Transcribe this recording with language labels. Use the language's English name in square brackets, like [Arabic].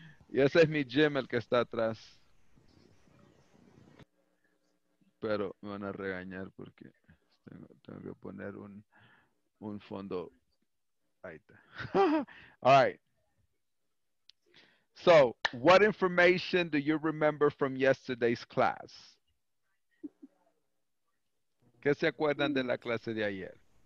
[Spanish] Y ese es mi gym, el que está atrás. Pero me van a regañar porque tengo que poner un fondo. Ahí está. [English] All right. So, what information do you remember from yesterday's class? [Spanish] ¿Qué se acuerdan de la clase de ayer?